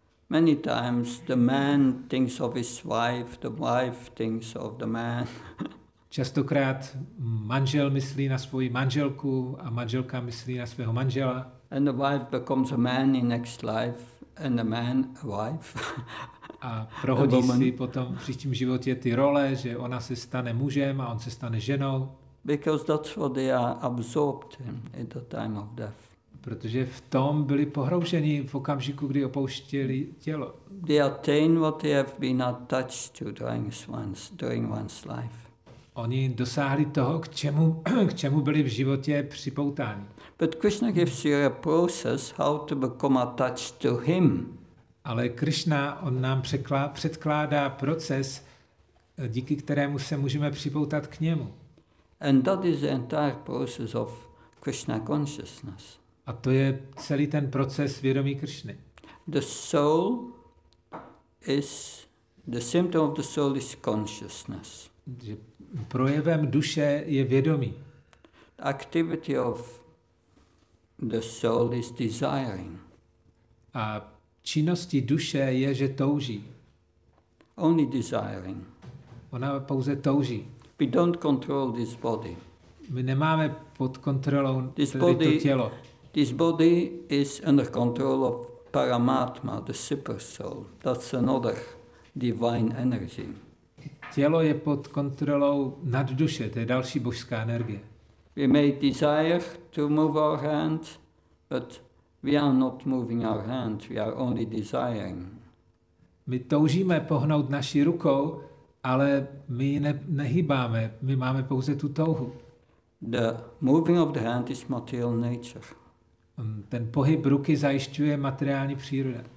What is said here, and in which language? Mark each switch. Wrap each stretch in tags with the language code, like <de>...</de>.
<en>Many times the man thinks of his wife, the wife thinks of the man.</en> <cs>Častokrát manžel myslí na svou manželku a manželka myslí na svého manžela.</cs> <en>And the wife becomes a man in next life and the man a wife.</en> <cs>A prohodí si potom v příštím životě ty role, že ona se stane mužem a on se stane ženou.</cs> <en>Because that's what they are absorbed in at the time of death.</en> <cs>Protože v tom byli pohroužení v okamžiku, kdy opouštěli tělo.</cs> <en>They attain what they have been attached to during one's life.</en> <cs>Oni dosáhli toho, k čemu byli v životě připoutáni.</cs> <en>But Krishna gives you a process how to become attached to him.</en> <cs>Ale Krishna on nám předkládá proces, díky kterému se můžeme připoutat k němu.</cs> <en>And that is the entire process of Krishna consciousness.</en> <cs>A to je celý ten proces vědomí Kršny.</cs> <en>The soul is the symptom of the soul is consciousness.</en> <cs>Že projevem duše je vědomí.</cs> <en>The activity of the soul is desiring.</en> <cs>A činnosti duše je, že touží.</cs> <en>Only desiring.</en> <cs>Ona pouze touží.</cs> <en>We don't control this body.</en> <cs>My nemáme pod kontrolou toto tělo.</cs> <en>This body is under control of Paramatma, the super soul. That's another divine energy.</en> <cs>Tělo je pod kontrolou nadduše, to je další božská energie.</cs> <en>We may desire to move our hand, but we are not moving our hand, we are only desiring.</en> <cs>My toužíme pohnout naší rukou, ale my nehýbáme, my máme pouze tu touhu.</cs> <en>The moving of the hand is material nature.</en> <cs>Ten pohyb ruky zajišťuje materiální příroda.</cs>